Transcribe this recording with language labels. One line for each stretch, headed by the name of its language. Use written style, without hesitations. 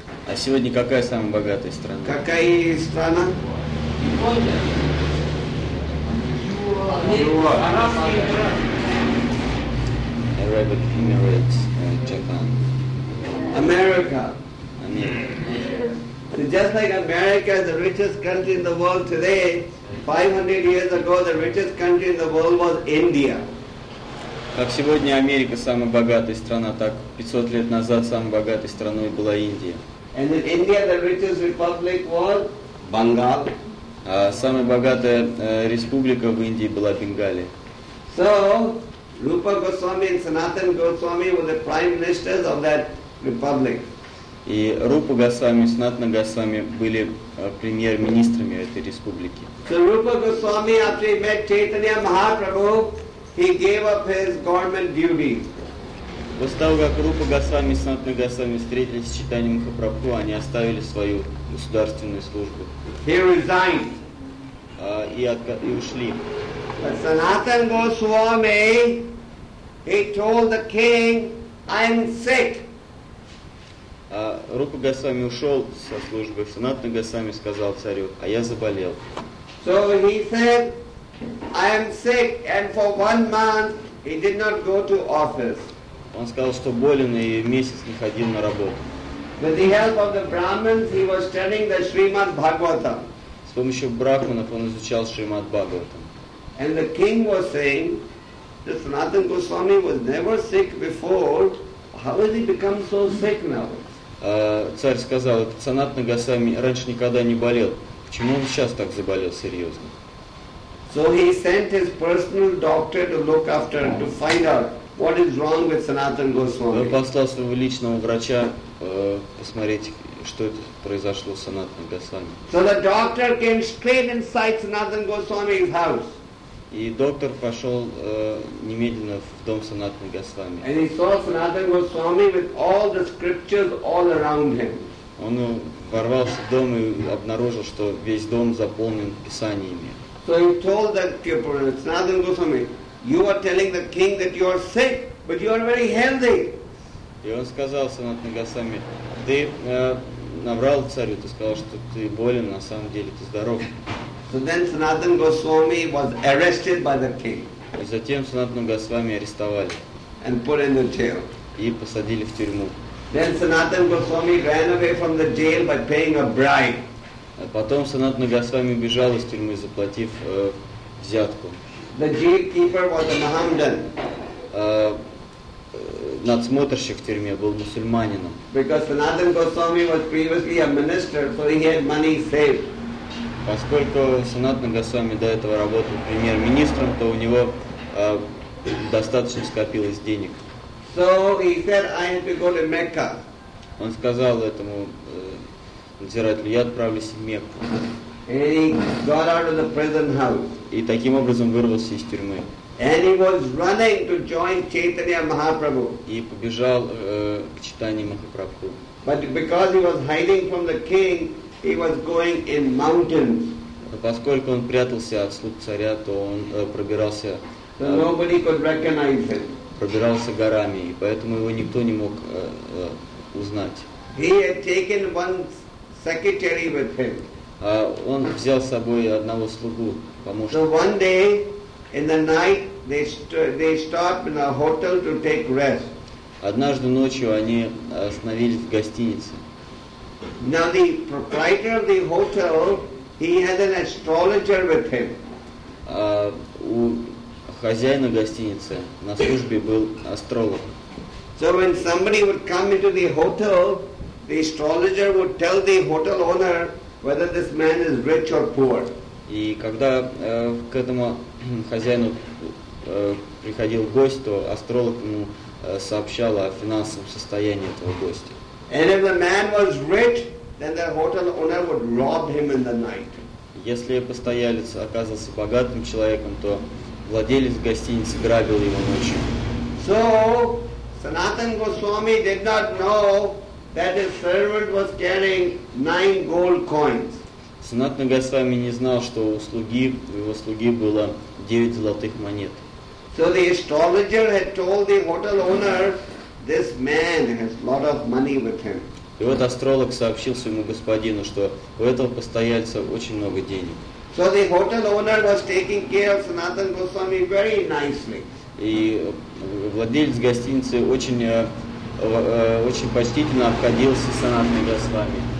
Russian: А сегодня какая самая богатая страна? Какая страна?
English: Arabic Emirates, Japan. America. America. So just like America is the richest country in the world today, 500 years ago the richest country in the world was India.
Russian: Как сегодня Америка самая богатая страна, так 500 лет назад самой богатой страной была Индия.
English: And in India the richest republic was Bengal.
Russian: Самая богатая республика в Индии была Бенгалия.
English: So, Rupa Goswami and Sanatan Goswami were the prime ministers of that republic.
Russian: И Рупа Госвами и Санатана Госвами были премьер-министрами этой республики.
English: So Rupa Goswami, after he met Chaitanya Mahaprabhu, he gave up his government duties.
Russian: После того, как Рупа Госвами и Санатана Госвами встретились с Чайтаньей Махапрабху, они оставили свою государственную службу.
English: He resigned.
Russian: И ушли.
English: But Sanatan Goswami, he told the king, I'm sick.
Russian: Рупа Госвами ушел со службы. Санатана Госвами сказал царю, а я заболел.
English: So he said, I am sick. And for one month, he did not go to office.
Russian: Он сказал, что болен и месяц не ходил на работу.
English: With the help of the Brahmins, he was studying the Srimad Bhagavatam.
Russian: С помощью брахманов он изучал Шримад Бхагаватам.
English: And the king was saying that Sanatan Goswami was never sick before. How has he become so sick now?
Russian: Царь сказал, Санатана Госвами раньше никогда не болел. Почему он сейчас так заболел серьезно?
English: So he sent his personal doctor to look after him, to find out. What is wrong with Sanatan Goswami?
Russian: Он послал своего личного врача посмотреть, что это произошло с Санатаном Госвами.
English: So the doctor came straight inside Sanatan Goswami's house.
Russian: И доктор пошел немедленно в дом Санатана Госвами.
English: And he saw Sanatan Goswami with all the scriptures all around him.
Russian: Он ворвался в дом и обнаружил, что весь дом заполнен писаниями.
English: So he told that Sanatan Goswami, you are telling the king that you are sick, but you are very healthy.
Russian: И он сказал Санатана Госвами, ты наврал царю, ты сказал, что ты болен, на самом деле ты здоров.
English: So then Sanatan Goswami was arrested by the king.
Russian: И затем Санатана Госвами арестовали.
English: And put in the jail.
Russian: И посадили в тюрьму.
English: Then Sanatan Goswami ran away from the jail by paying a bribe.
Russian: А потом Санатана Госвами убежал из тюрьмы, заплатив взятку.
English: The jailkeeper was a Mohammedan.
Russian: Надсмотрщик в тюрьме был мусульманином.
English: Because Sanatan Goswami was previously a minister, so he had money saved.
Russian: Поскольку Санатана Госвами до этого работал премьер-министром, то у него достаточно скопилось денег.
English: So he said, I have to go to Mecca.
Russian: Он сказал этому надзирателю, я отправлюсь в Мекку.
English: And he got out of the prison house.
Russian: И таким образом вырвался из тюрьмы.
English: And he was running to join Chaitanya Mahaprabhu.
Russian: И побежал к Чайтанье Махапрабху.
English: But because he was hiding from the king, he was going in mountains.
Russian: Поскольку он прятался от слуг царя, то он пробирался.
English: So nobody could recognize him.
Russian: Пробирался горами, и поэтому его никто не мог узнать.
English: He had taken one secretary with him.
Russian: Он взял с собой одного слугу, помощника.
English: So one day in the night they stopped in a hotel to take rest.
Russian: Однажды ночью они остановились в гостинице.
English: Now the proprietor of the hotel, he has an astrologer with him.
Russian: У хозяина гостиницы на службе был астролог.
English: So when somebody would come into the hotel, the astrologer would tell the hotel owner whether this man is rich or poor.
Russian: И когда к этому хозяину приходил гость, то астролог ему сообщал о финансовом состоянии этого гостя.
English: And if the man was rich, then the hotel owner would rob him in the night.
Russian: Если постоялец оказывался богатым человеком, то владелец гостиницы грабил его ночью.
English: So, Sanatan Goswami did not know that his servant was carrying 9 gold coins.
Russian: Sanatan Goswami не знал, что у его слуги было 9 золотых монет.
English: So the astrologer had told the hotel owner, this man has a lot of money with him.
Russian: И вот астролог сообщил своему господину, что у этого постояльца очень много денег.
English: So the hotel owner was taking care of Sanatan Goswami very nicely.
Russian: И владелец гостиницы очень почтительно обходился с Санатаной Госвами.